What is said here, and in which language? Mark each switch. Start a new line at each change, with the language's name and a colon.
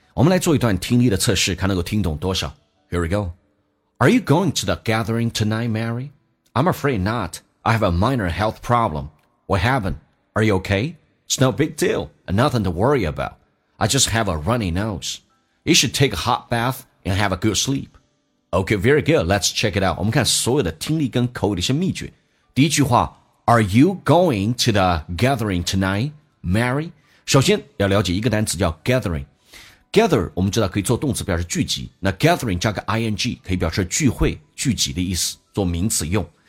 Chinese: 我们来做一段听力的测试，看能够听懂多少。
English: Here we go. Are you going to the gathering tonight, Mary? I'm afraid not. I have a minor health problem. What happened? Are you okay? It's no big deal and nothing to worry about. I just have a runny nose. You should take a hot bath and have a good sleep. Okay, very good. Let's check it out.
Chinese: 我们看所有的听力跟口语的一些秘诀。第一句话 ,
English: Are you going to the gathering tonight?
Chinese: Mary， 首先要了解一个单词叫 gathering。gather 我们知道可以做动词表示聚集，那 gathering 加个 ing 可以表示聚会、聚集的意思，做名词用。